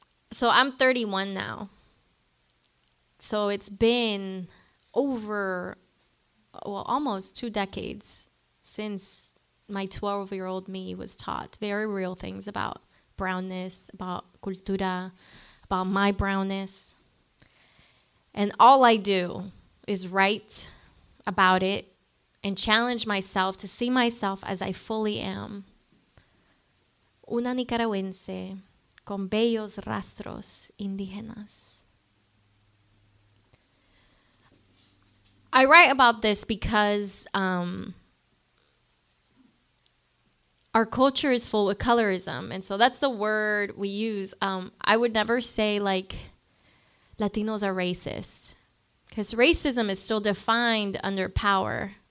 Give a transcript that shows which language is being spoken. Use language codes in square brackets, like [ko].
[en] So I'm 31 now. So it's been over, well, almost two decades since my 12-year-old me was taught very real things about brownness, about cultura, about my brownness. And all I do is write about it and challenge myself to see myself as I fully am. [es] Una nicaragüense con bellos rastros indígenas. [en] I write about this because our culture is full of colorism. And so that's the word we use. I would never say like Latinos are racist, because racism is still defined under power.